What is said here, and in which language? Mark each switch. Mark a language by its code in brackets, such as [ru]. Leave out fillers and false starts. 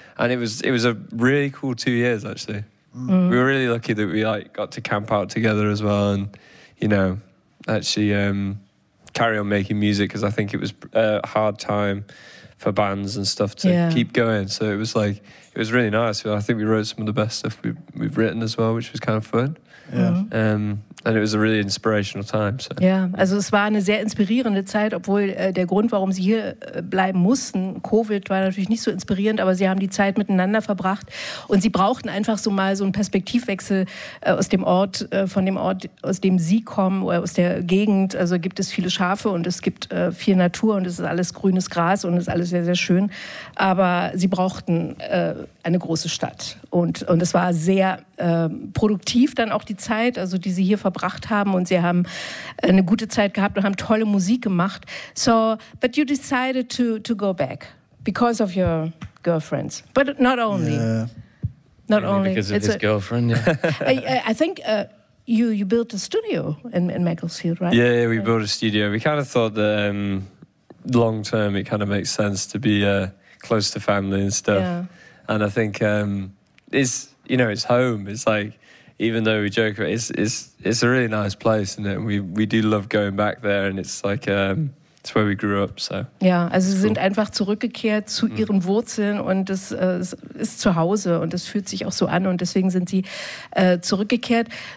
[en] And it was a really cool 2 years, actually. Mm. We were really lucky that we like got to camp out together as well, and, you know, actually carry on making music, because I think it was a hard time for bands and stuff to, yeah, keep going. So it was like, it was really nice. I think we wrote some of the best stuff we've written as well, which was kind of fun. Yeah. And it was a really inspirational time. So. [de] Ja, also es war eine sehr inspirierende Zeit, obwohl der Grund, warum sie hier bleiben mussten, Covid, war natürlich nicht so inspirierend, aber sie haben die Zeit miteinander verbracht und sie brauchten einfach so mal so einen Perspektivwechsel aus dem Ort, von dem Ort, aus dem sie kommen oder aus der Gegend. Also gibt es viele Schafe und es gibt viel Natur und es ist alles grünes Gras und es ist alles sehr, sehr schön. Aber sie brauchten eine große Stadt und es war sehr produktiv dann auch die Zeit, also die sie hier verbracht haben, und sie haben eine gute Zeit gehabt und haben tolle Musik gemacht. [en] So, but you decided to go back because of your girlfriends, but not only. Yeah. Not only because of his girlfriend. Yeah. I think you built a studio in Macclesfield, right? Yeah, yeah, we built a studio. We kind of thought that long term it kind of makes sense to be close to family and stuff. Yeah. And I think it's, you know, it's home. It's like, even though we joke about it, it's a really nice place, isn't it? And we do love going back there, and it's like it's where we grew up. So [de] yeah, also sie sind einfach zurückgekehrt zu ihren Wurzeln, und das ist zu Hause, und es fühlt sich auch so an, und deswegen sind sie zurückgekehrt.